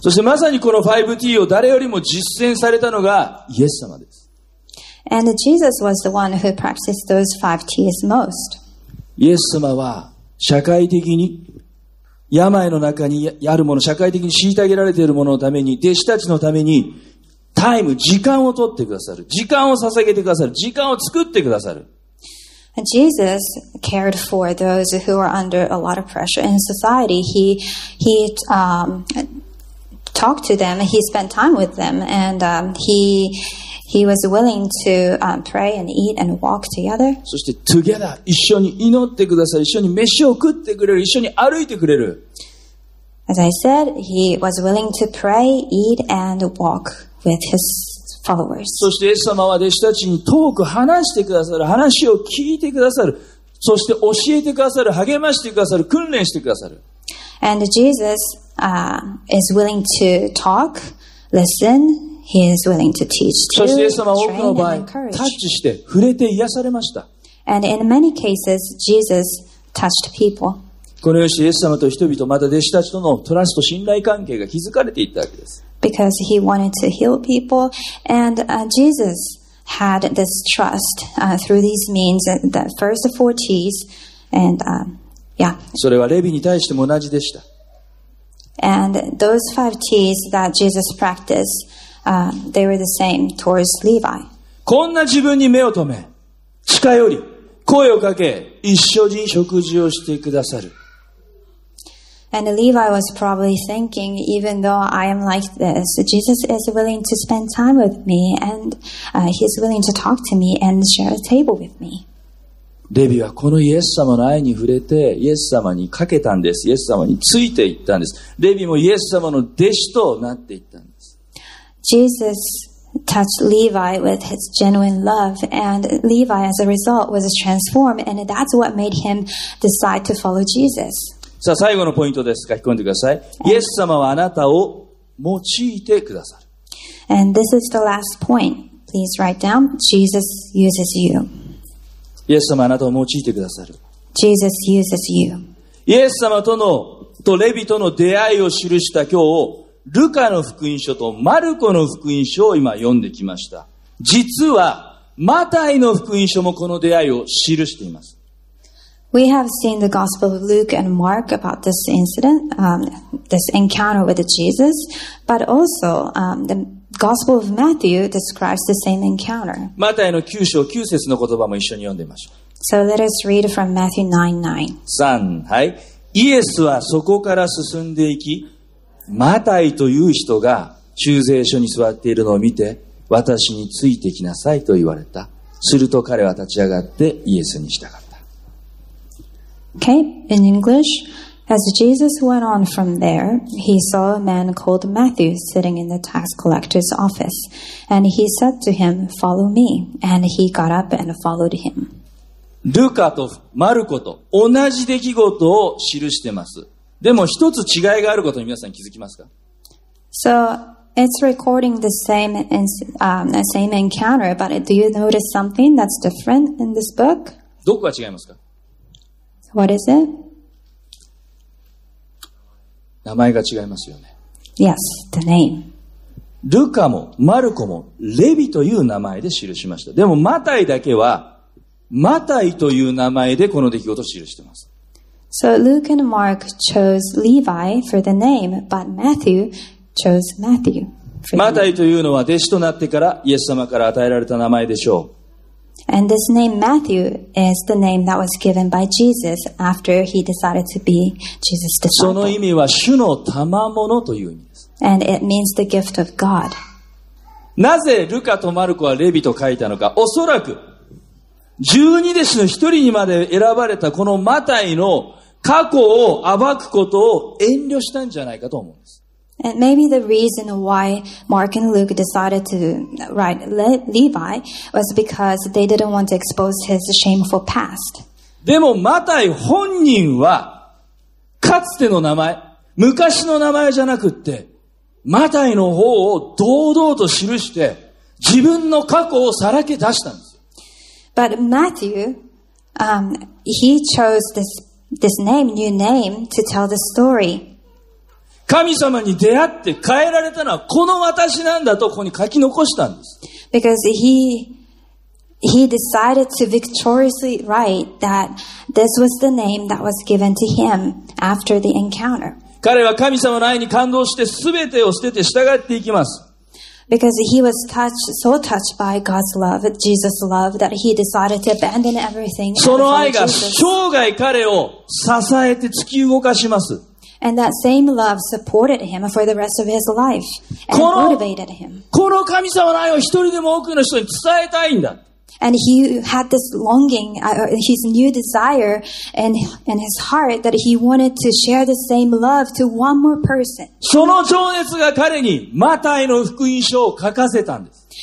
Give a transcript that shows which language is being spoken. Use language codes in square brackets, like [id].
[ja] そしてまさにこの 5T を誰よりも実践されたのがイエス様です。 [en] And Jesus was the one who practiced those five T's most. [ja] イエス様は社会的に病の中にあるもの、社会的に虐げられているもののために、弟子たちのために、タイム、時間を取ってくださる。時間を捧げてくださる。時間を作ってくださる。 [en] Jesus cared for those who were under a lot of pressure in society. He talked to them. He spent time with them. And he was willing to pray and eat and walk together. [ja] そして together 一緒に祈ってください。一緒に飯を食ってくれる。一緒に歩いてくれる。 [en] As I said, he was willing to pray, eat and walk with his followers. [ja] そしてイエス様は弟子たちにトーク話してくださる。話を聞いてくださる。そして教えてくださる。励ましてくださる。訓練してくださる。 [en] And Jesus is willing to talk, listen,He is willing to teach to, [ja] そしてイエス様は多くの場合タッチして触れて癒されました。 [en] And in many cases, Jesus touched people. [ja] このようにしてイエス様と人々また弟子たちとのトラスト信頼関係が築かれていったわけです。 [en] Because he wanted to heal people and Jesus had this trust through these means, the first four T's and yeah. [ja] それはレビに対しても同じでした。 [en] And those five T's that Jesus practiced,they were the same towards Levi. [ja] こんな自分に目を留め、近寄り、声をかけ、一緒に食事をしてくださる。 [en] And Levi was probably thinking, even though I am like this, Jesus is willing to spend time with me, and he's willing to talk to me and share a table with me. [ja] レビはこのイエス様の愛に触れて、イエス様にかけたんです。イエス様についていったんです。レビもイエス様の弟子となっていったんです。 [en] Jesus touched Levi with his genuine love, and Levi, as a result, was transformed, and that's what made him decide to follow Jesus. [ja] さあ、最後のポイントです。書き込んでください。イエス様はあなたを用いてくださる。 [en] And this is the last point. Please write down, Jesus uses you. [ja] イエス様はあなたを用いてくださる。 [en] Jesus uses you. [ja] イエス様とレビとの出会いを記した今日、ルカの福音書とマルコの福音書を今読んできました。実は、マタイの福音書もこの出会いを記しています。 [en] We have seen the Gospel of Luke and Mark about this incident, this encounter with Jesus, but also, um, the, Gospel of Matthew describes the same encounter. [ja] マタイの9章9節の言葉も一緒に読んでみましょう。 [en] So let us read from Matthew 9:9. [ja] 3、はい。イエスはそこから進んでいき、マタイという人が中税所に座っているのを見て、私についてきなさいと言われた。すると彼は立ち上がってイエスに従った。 [en] Okay, in English, as Jesus went on from there, he saw a man called Matthew sitting in the tax collector's office, and he said to him, follow me, and he got up and followed him. [ja] ルカとマルコと同じ出来事を記しています。でも一つ違いがあることに皆さん気づきますか？ [en] So, it's recording the same, same encounter, but do you notice something that's different in this book? [ja] どこが違いますか？ [en] What is it? [ja] 名前が違いますよね。 [en] Yes, the name. [ja] ルカもマルコもレビという名前で記しました。でもマタイだけはマタイという名前でこの出来事を記しています。 [en] So Luke and Mark chose Levi for the name, but Matthew chose Matthew for the name. [ja] マタイというのは弟子となってからイエス様から与えられた名前でしょう。 [en] And this name Matthew is the name that was given by Jesus after he decided to be Jesus' disciple. [ja] その意味は主の賜物という意味です。 [en] And it means the gift of God. [ja] なぜルカとマルコはレビと書いたのか、おそらく十二弟子の一人にまで選ばれたこのマタイの過去を暴くことを遠慮したんじゃないかと思うんです。 [en] And maybe the reason why Mark and Luke decided to write Levi was because they didn't want to expose his shameful past. [ja] でもマタイ本人はかつての名前、昔の名前じゃなくってマタイの方を堂々と記して自分の過去をさらけ出したんです。 [en] But Matthew, he chose this name, new name, to tell the story. [ja] 神様に出会って変えられたのはこの私なんだとここに書き残したんです。 [en] Because he decided to victoriously write that this was the name that was given to him after the encounter. [ja] 彼は神様の愛に感動して全てを捨てて従っていきます。 [en] Because he was touched, so touched by God's love, Jesus' love, that he decided to abandon everything. [ja] その愛が生涯彼を支えて突き動かします。 [en] And that same love supported him for the rest of his life and motivated him. [ja] この神様の愛を一人でも多くの人に伝えたいんだ。 [en] And he had this longing, his new desire in his heart that he wanted to share the same love to one more person. [ja] その情熱が彼にマタイの福音書を書かせたんです。